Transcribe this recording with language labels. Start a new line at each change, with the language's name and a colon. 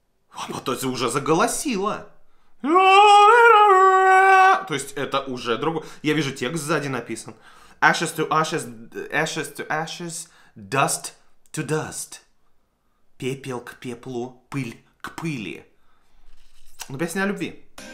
Russian: Она то есть уже заголосила. То есть это уже другое. Я вижу, текст сзади написан.
English: Ashes to ashes, ashes to ashes, dust to dust.
Russian: Пепел к пеплу, пыль к пыли. Ну, песня о любви.